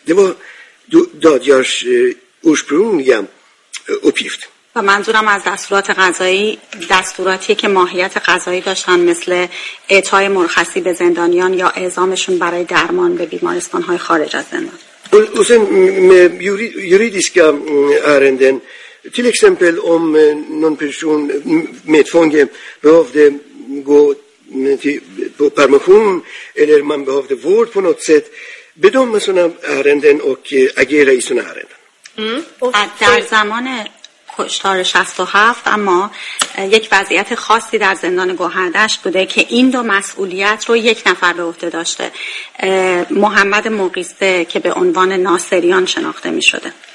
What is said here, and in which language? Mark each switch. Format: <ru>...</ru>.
<sv>Det var dadjars ursprungliga uppgift.</sv> <fa>و منظورم از دستورات قضایی دستوراتی که ماهیت قضایی داشتن، مثل اعطای مرخصی به زندانیان یا اعزامشون برای درمان به بیمارستان‌های خارج از زندان.</fa> <sv>اون juridiska ärenden, till exempel om någon person medfånge behövde gå på permission eller man behövde vård på något sätt, bedöma sådana ärenden och agera i sådana ärenden.</sv> <fa>در زمان کشتار 67، اما یک وضعیت خاصی در زندان گوهردشت بوده که این دو مسئولیت رو یک نفر به عهده داشته، محمد مقیسه که به عنوان ناصریان شناخته می شده.</fa>